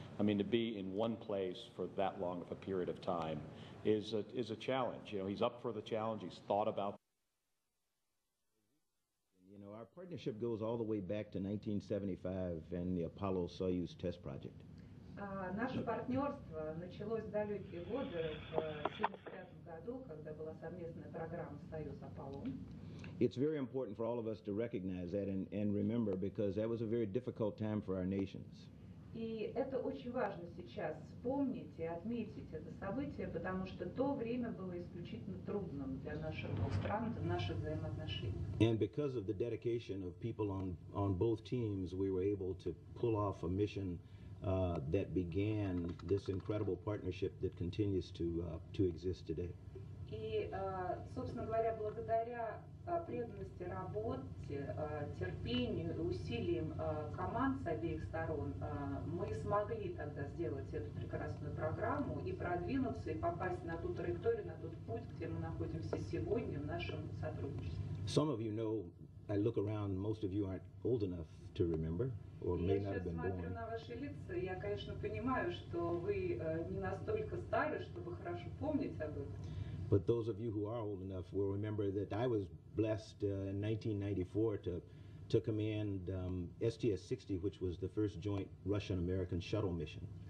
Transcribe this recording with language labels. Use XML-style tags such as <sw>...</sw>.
<en>I mean, to be in one place for that long of a period of time is a challenge. You know, he's up for the challenge. He's thought about. You know, our partnership goes all the way back to 1975 and the Apollo Soyuz test project.</en> <ru>Наше партнерство началось в далекие годы, в 1975 году, когда была совместная программа «Союз-Аполлон».</ru> <en>It's very important for all of us to recognize that and remember, because that was a very difficult time for our nations.</en> <ru>И это очень важно сейчас вспомнить и отметить это событие, потому что то время было исключительно трудным для наших стран, для наших взаимоотношений.</ru> <en>And because of the dedication of people on both teams, we were able to pull off a mission that began this incredible partnership that continues to exist today.</en> <ru>И, собственно говоря, благодаря преданности работе, терпению и усилиям команд с обеих сторон, мы смогли тогда сделать эту прекрасную программу и продвинуться, и попасть на ту траекторию, на тот путь, где мы находимся сегодня в нашем сотрудничестве.</ru> <en>Some of you know, I look around, most of you aren't old enough to remember.</en> <ru>Я сейчас смотрю на ваши лица, я, конечно, понимаю, что вы не настолько стары, чтобы хорошо помнить об этом.</ru> <en>But those of you who are old enough will remember that I was blessed in 1994 to command STS-60, which was the first joint Russian-American shuttle mission.</en>